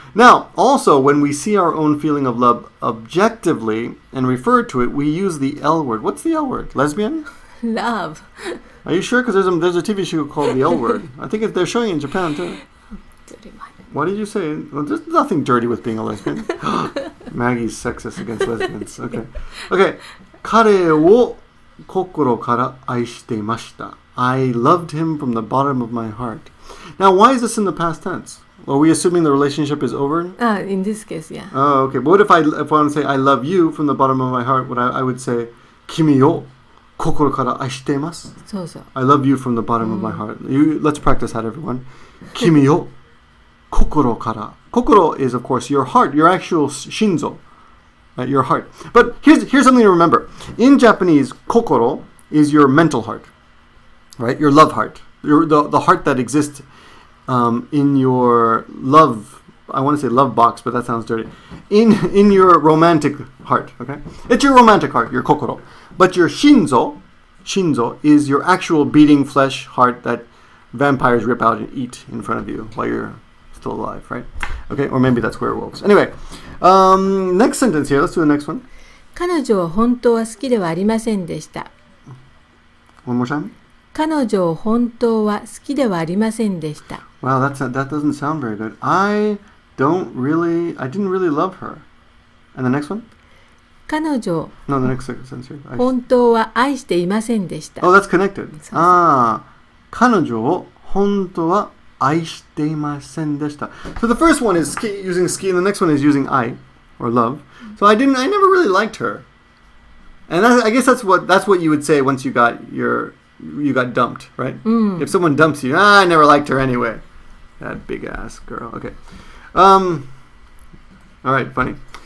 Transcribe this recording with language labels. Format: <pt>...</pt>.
<en>Now, also, when we see our own feeling of love objectively and refer to it, we use the L word. What's the L word? Lesbian? Love. Are you sure? Because there's a TV show called the L word. I think they're showing it in Japan, too. Dirty mind. What did you say? Well, there's nothing dirty with being a lesbian. Maggie's sexist against lesbians. Okay. Okay.</en> <ja>彼を心から愛していました。</ja> <en>I loved him from the bottom of my heart. Now, why is this in the past tense? Are we assuming the relationship is over? In this case, yeah. Oh, okay. But what if I want to say I love you from the bottom of my heart? I would say,</en> <ja>君を心から愛しています. そうそう.</ja> <en>I love you from the bottom of my heart. Let's practice that, everyone.</en> <ja>君を心から.</ja> <en>心 is, of course, your heart, your actual 心臓, right? Your heart. But here's something to remember. In Japanese, 心 is your mental heart, right? Your love heart, the heart that exists. In your love, I want to say love box, but that sounds dirty. In your romantic heart, okay? It's your romantic heart, your kokoro. But your shinzo is your actual beating flesh heart that vampires rip out and eat in front of you while you're still alive, right? Okay, or maybe that's werewolves. Anyway, next sentence here. Let's do the next one.</en> <ja>彼女は本当は好きではありませんでした。</ja> <en>One more time.</en> <ja>彼女は本当は好きではありませんでした。</ja> <en>Wow, that doesn't sound very good. I didn't really love her. And the next one?</en> <ja>彼女</ja> <en>No, the next sentence here.</en> <ja>本当は愛していませんでした。</ja> <en>Oh, that's connected.</en> <ja>Ah, 彼女を本当は愛していませんでした。</ja> <en>So the first one is using 好き, and the next one is using 愛, or love. So I never really liked her. And I guess that's what you would say once you got your... You got dumped, right? If someone dumps you, I never liked her anyway. That big ass girl. Okay. All right, funny.</en>